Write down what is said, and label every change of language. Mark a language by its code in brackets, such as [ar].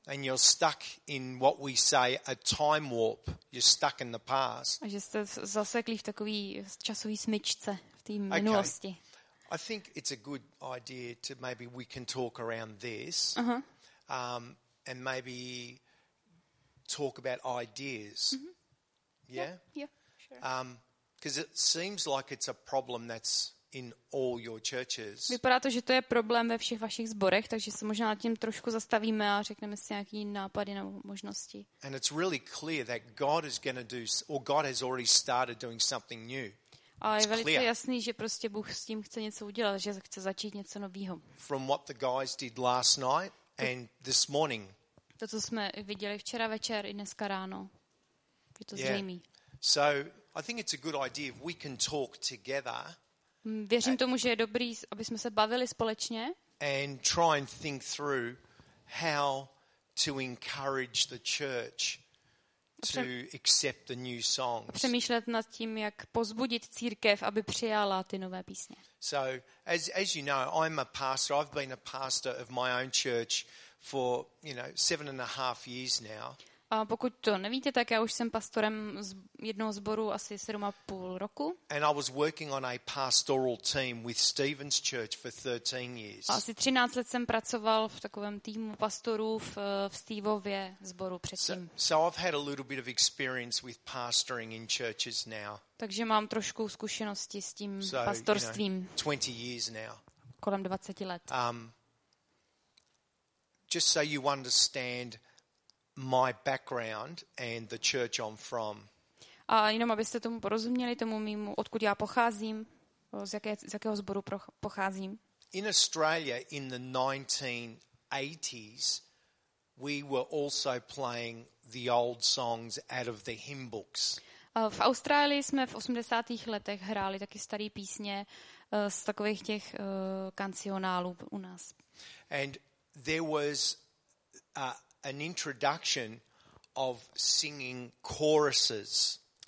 [en] And you're stuck in what we say a time warp. You're stuck in the past. [cs] A že jste zasekli v takový časový smyčce v té minulosti. [en] Okay. I think it's a good idea to maybe we can talk around this. And maybe talk about ideas. Mm-hmm. Yeah? Yeah, sure. Because it seems like it's a problem that's in all your churches. [cs] Vypadá to, že to je problém ve všech vašich sborech, takže se možná nad tím trošku zastavíme a řekneme si nějaký nápady nebo možnosti. [en] And it's really clear that God is going to do or God has already started doing something new. [cs] A je velice jasný, že prostě Bůh s tím chce něco udělat, že chce začít něco novýho. [en] From what the guys did last night and this morning. [cs] To, co jsme viděli včera večer i dneska ráno. Je to zřejmé. [en] So I think it's a good idea if we can talk together. [cs] Věřím tomu, že je dobrý, aby jsme se bavili společně. [en] And try and think through how to encourage the church to accept the new songs. [cs] Přemýšlet nad tím, jak pozbudit církev, aby přijala ty nové písně. [en] So as you know, I'm a pastor. I've been a pastor of my own church for, you know, 7.5 years now. [cs] A pokud to nevíte, tak já už jsem pastorem z jednoho sboru asi 7.5 roku. [en] And I was working on a pastoral team with Stephen's Church for 13 years. [cs] A asi 13 let jsem pracoval v takovém týmu pastorů v Steveově sboru předtím. [en] So I've had a little bit of experience with pastoring in churches now. [cs] Takže mám trošku zkušenosti s tím pastorstvím. [en] You know, 20 years now. [cs] Kolem 20 let. [en] Just so you understand my background and the church I'm from. [cs] A jenom abyste tomu porozuměli, tomu mým, odkud já pocházím, z jakého sboru pocházím. [en] In Australia in the 1980s we were also playing the old songs out of the hymn books. [cs] V Austrálii jsme v 80. letech hráli taky staré písně z takových těch kancionálů u nás. [en] And there was an introduction of singing choruses.